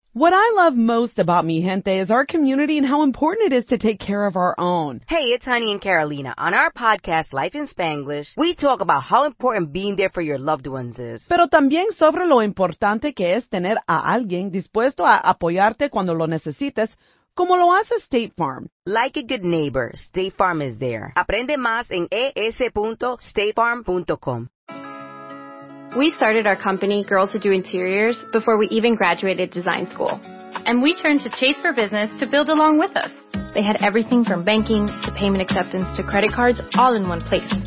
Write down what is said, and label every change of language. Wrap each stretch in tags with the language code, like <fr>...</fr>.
<en>What I love most about Mi Gente is our community and how important it is to take care of our own. Hey, it's Honey and Carolina. On our podcast, Life in Spanglish, we talk about how important being there for your loved ones is.</en> <es>Pero también sobre lo importante que es tener a alguien dispuesto a apoyarte cuando lo necesites, como lo hace State Farm.</es> <en>Like a good neighbor, State Farm is there.</en> <es>Aprende más en es.statefarm.com.</es> <en>We started our company, Girls Who Do Interiors, before we even graduated design school. And we turned to Chase for Business to build along with us. They had everything from banking to payment acceptance to credit cards all in one place.</en>